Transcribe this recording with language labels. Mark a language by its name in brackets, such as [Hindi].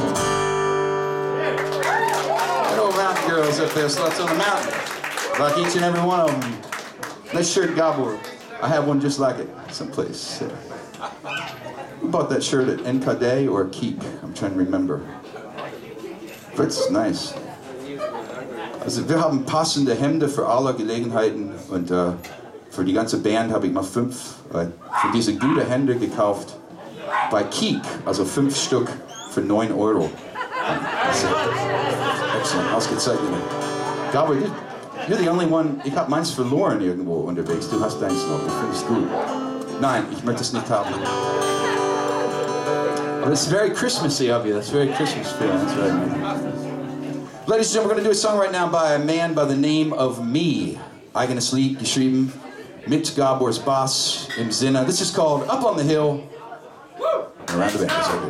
[English] Yeah. Good old mountain girls up there, sluts on the mountain. Like each and every one of them. Nice shirt, gabor. I have one just like it someplace. Who bought that shirt at Encade or Keep? I'm trying to remember. But it's nice. [German] Also, wir haben passende Hemden für alle Gelegenheiten und für die ganze Band habe ich mal fünf für diese gute Hände gekauft bei Keek, also fünf Stück für 9 Euro. [English] Excellent, [German] ausgezeichnet. Gabor, [English] you're the only one, [German] ich habe meins verloren irgendwo unterwegs. Du hast deins noch, ich finde es gut. Nein, ich möchte es nicht haben. Aber [English] it's very Christmassy of you, that's very Christmas feeling. That's right, man. Ladies and gentlemen, we're going to do a song right now by a man by the name of Me. [German] Eigenes Lied geschrieben. Mit Gabor's Bass im Sinne. [English] This is called Up on the Hill. Woo! Around the bend.